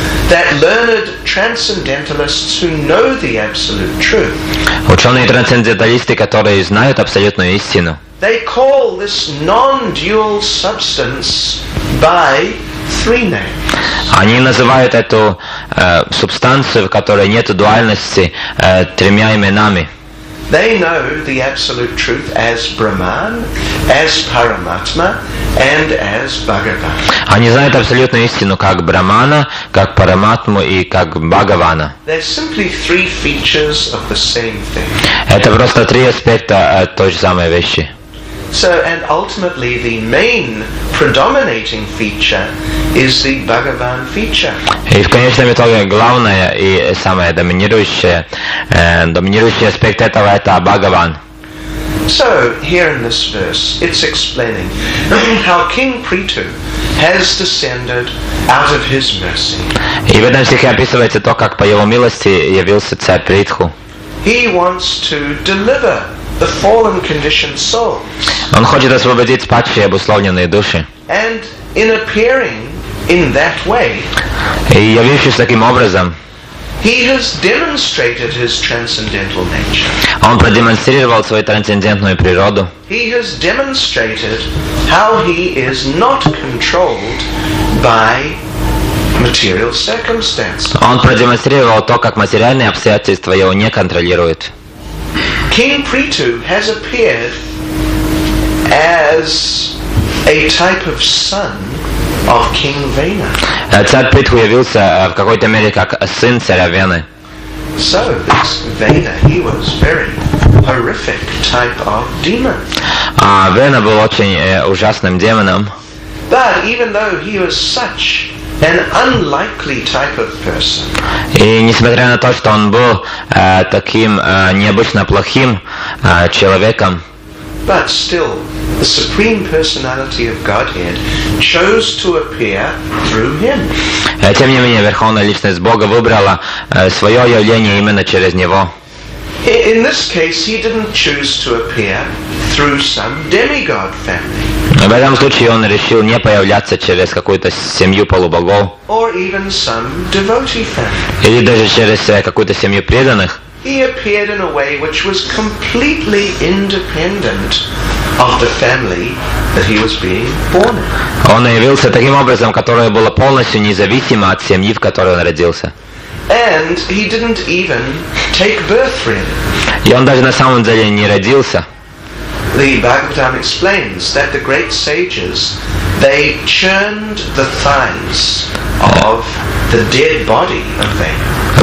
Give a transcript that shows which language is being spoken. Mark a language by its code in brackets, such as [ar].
[en] That learned transcendentalists who know the absolute truth. [ru] Ученые трансценденталисты, которые знают абсолютную истину. [en] They call this non-dual substance by three names. [ru] Они называют эту субстанцию, в которой нет дуальности, тремя именами. [en] They know the absolute truth as Brahman, as Paramatma, and as Bhagavan. [ru] Они знают абсолютную истину как Брахмана, как Параматму и как Бхагавана. [en] They're simply three features of the same thing. [ru] Это просто три аспекта той же самой вещи. [en] So, and ultimately, the main predominating feature is the Bhagavan feature. [ru] И в конечном итоге главное и самое доминирующий аспект этого — это Бхагаван. [en] So, here in this verse, it's explaining how King Prithu has descended out of his mercy. [ru] И в этом стихе описывается то, как по его милости явился царь Притху. [en] He wants to deliver the fallen conditioned souls. [ru] Он хочет освободить падшие обусловленные души. [en] And in appearing in that way, [ru] и явившись таким образом, [en] he has demonstrated his transcendental nature. [ru] Он продемонстрировал свою трансцендентную природу. [en] He has demonstrated how he is not controlled by material circumstances. [ru] Он продемонстрировал то, как материальные обстоятельства его не контролируют. [en] King Prithu has appeared as a type of son of King Vena. [ru] Царь Притху явился в какой-то мере как сын царя Вены. [en] So this Vena, he was very horrific type of demon. [ru] Вена был очень ужасным демоном. [en] But even though he was such an unlikely type of person. [ru] И несмотря на то, что он был таким необычно плохим человеком. [en] But still, the Supreme Personality of Godhead chose to appear through him. [ru] Тем не менее, Верховная Личность Бога выбрала свое явление именно через него. [en] In this case, he didn't choose to appear through some demigod family. [ru] В этом случае он решил не появляться через какую-то семью полубогов. [en] Or even some devotee family. [ru] Или даже через какую-то семью преданных. [en] He appeared in a way which was completely independent of the family that he was being born in. [ru] Он явился таким образом, которое было полностью независимо от семьи, в которой он родился. [en] And he didn't even take birth ring. [ru] И он даже на самом деле не родился. [en] The Bhagavatam explains that the great sages, they churned the thighs of the dead body of Vena.